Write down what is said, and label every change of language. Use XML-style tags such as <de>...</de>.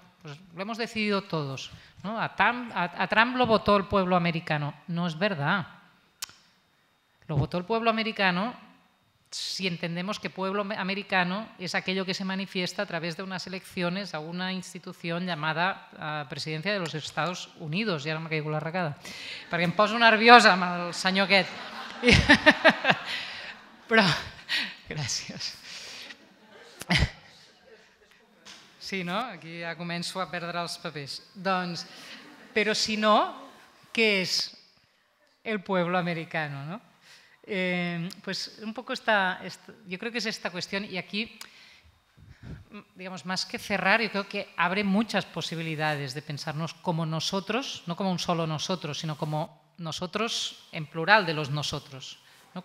<es>Pues lo hemos decidido todos, ¿no? A Trump lo votó el pueblo americano. No es verdad. Lo votó el pueblo americano si entendemos que pueblo americano es aquello que se manifiesta a través de unas elecciones a una institución llamada Presidencia de los Estados Unidos. Ya no me caigo la racada.</es> <ca>Perquè em poso nerviosa amb el senyor aquest. Però... Gràcies. Sí, no? Aquí ja començo a perdre els papers. Doncs, però si no, què és</ca> <es>el pueblo americano,</es> <ca>no?</ca> <es>Pues un poco yo creo que es esta cuestión, y aquí, digamos, más que cerrar, yo creo que abre muchas posibilidades de pensarnos como nosotros, no como un solo nosotros, sino como nosotros en plural de los nosotros, ¿no?</es>